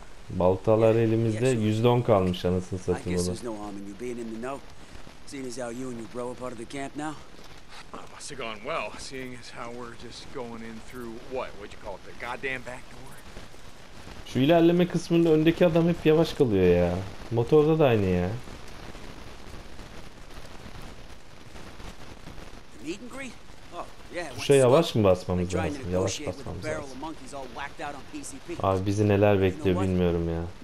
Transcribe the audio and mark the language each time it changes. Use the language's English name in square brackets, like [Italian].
[Turkish] Baltalar elimizde %10 kalmış anasını satayım [English] no harm in you being in the know. Seeing as how you and your bro are part of the camp now. Oh, must have gone well, seeing as how we're just going in through what? What'd you call it? The goddamn back door? [Turkish] Şu ilerleme kısmında öndeki adam hep yavaş kalıyor ya. Motorda da aynı ya. [English] Meet and greet? Oh, yeah. [Turkish] Tuşa yavaş mı basmamız lazım? Yavaş basmamız lazım. Abi bizi neler bekliyor bilmiyorum ya.